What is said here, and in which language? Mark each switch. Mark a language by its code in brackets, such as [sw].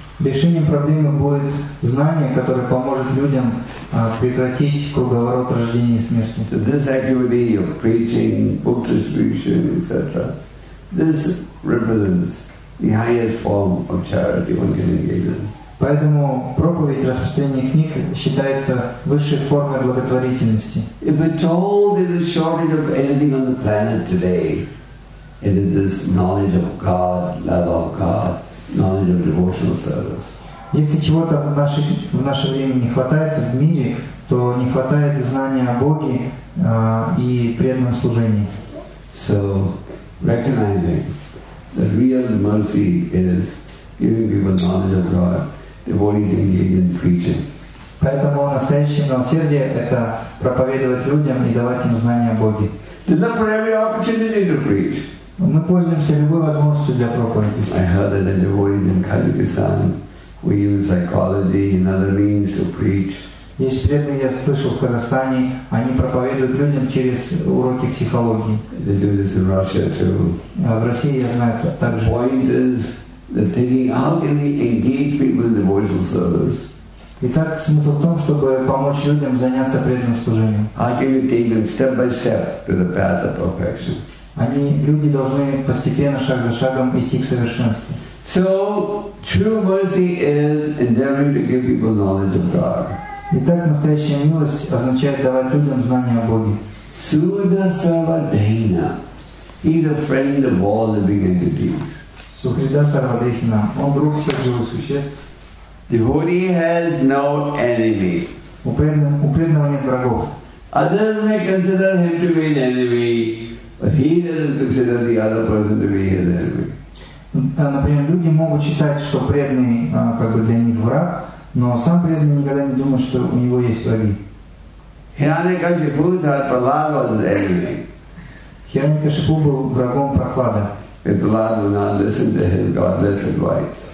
[ru] Решением проблемы будет знание, которое поможет людям прекратить круговорот рождения и смерти. [en] So this activity of preaching, book distribution, etc., this represents the highest form of charity one can engage in. [ru] Поэтому проповедь распространения книг считается высшей формой благотворительности. [en] If at all there is a shortage of anything on the planet today, it is this knowledge of God, love of God, knowledge of devotional service. [ru] Если чего-то в наше время не хватает в мире, то не хватает знания о Боге и преданном служении. [en] So, recognizing that real mercy is giving people knowledge of God, devotees engaged in preaching. [ru] Поэтому настоящее милосердие – это проповедовать людям и давать им знания о Боге. [en] Did not for every opportunity to preach. [ru] Мы пользуемся любой возможностью для проповеди. [en] I heard that the devotees in Kazakhstan, we use psychology and other means to preach. [ru] Есть преданные, я слышал, в Казахстане, они проповедуют людям через уроки психологии. [en] They do this in Russia too. [ru] В России я знаю это также. [en] The point is the thinking, how can we engage people in devotional service? [ru] Итак, смысл в том, чтобы помочь людям заняться преданным служением. [en] How can we take them step by step to the path of perfection? [ru] Они, люди должны постепенно, шаг за шагом, идти к совершенству. [en] So, true mercy is endeavoring to give people knowledge of God. [ru] Итак, настоящая милость означает давать людям знания о Боге. [en] Судха-сарва-дхина. He's a friend of all living entities. [sa] Судха-сарва-дхина. [ru] Он друг всех живых существ. [en] Devotee has no enemy. [ru] У преданного нет врагов. [en] Others may consider him to be an enemy, but he doesn't consider the other person to be his enemy. [ru] Например, люди могут считать, что преданный как бы для них враг, но сам преданный никогда не думает, что у него есть враги. Хиранякашипу был врагом Прохлады. Прохлада не слушал его [en] Godless advice.